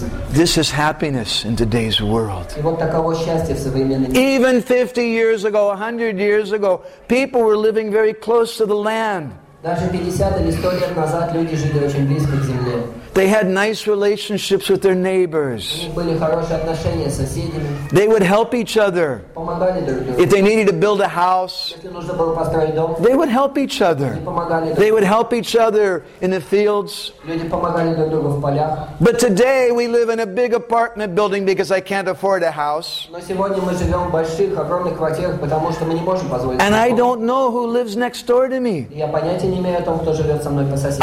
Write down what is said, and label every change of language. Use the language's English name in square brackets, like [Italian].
[English] This is happiness in today's world. Even 50 years ago, 100 years ago, people were living very close to the land. [Russian] Даже 50 или 100 лет назад люди жили очень близко к земле. [English] They had nice relationships with their neighbors. [Russian] Были хорошие отношения с соседями. [English] They would help each other. [Russian] Помогали друг другу. [English] If they needed to build a house, [Russian] если нужно было построить дом, [English] they would help each other. [Russian] Помогали друг другу. [English] They would help each other in the fields. [Russian] Люди помогали друг другу в полях. [English] But today we live in a big apartment building because I can't afford a house. [Russian] Но сегодня мы живем в больших, огромных квартирах, потому что мы не можем позволить себе. [English] And I don't know who lives next door to me. [Russian] Я понятия не имею о том, кто живет со мной по соседству.